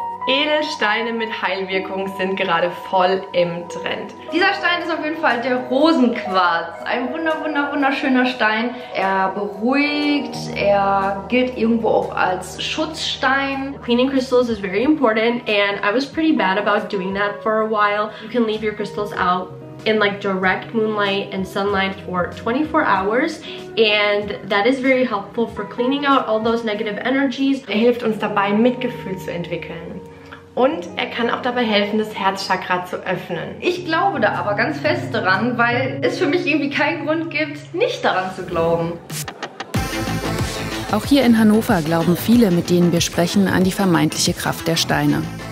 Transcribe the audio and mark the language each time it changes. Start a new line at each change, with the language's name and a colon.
German: Edelsteine mit Heilwirkung sind gerade voll im Trend. Dieser Stein ist auf jeden Fall der Rosenquarz. Ein wunderschöner Stein. Er beruhigt, er gilt irgendwo auch als Schutzstein.
English: Cleaning crystals is very important and I was pretty bad about doing that for a while. You can leave your crystals out in like direct moonlight and sunlight for 24 hours and that is very helpful for cleaning out all those negative energies.
German: Er hilft uns dabei, Mitgefühl zu entwickeln. Und er kann auch dabei helfen, das Herzchakra zu öffnen. Ich glaube da aber ganz fest dran, weil es für mich irgendwie keinen Grund gibt, nicht daran zu glauben. Auch hier in Hannover glauben viele, mit denen wir sprechen, an die vermeintliche Kraft der Steine.